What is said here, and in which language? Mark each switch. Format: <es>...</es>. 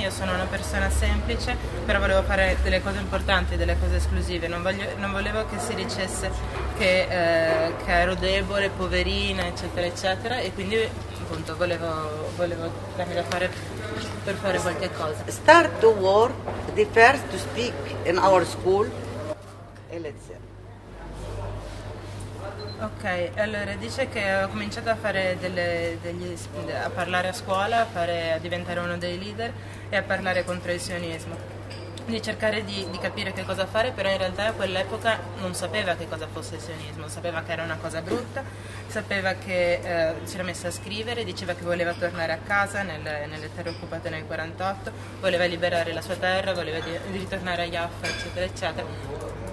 <it>Io sono una persona semplice, però volevo fare delle cose importanti, delle cose esclusive. Non volevo che si dicesse che ero debole, poverina, eccetera, eccetera. E quindi, appunto, volevo darmi da fare per fare qualche cosa.</it> <en>Start to work, the first to speak in our school. E let's see.</en> <it>Ok, allora dice che ho cominciato a fare a parlare a scuola, a diventare uno dei leader e a parlare contro il sionismo, di cercare di capire che cosa fare, però in realtà a quell'epoca non sapeva che cosa fosse il sionismo, sapeva che era una cosa brutta, sapeva che si era messa a scrivere, diceva che voleva tornare a casa nelle terre occupate nel 48, voleva liberare la sua terra, voleva di ritornare a Jaffa, eccetera, eccetera.</it>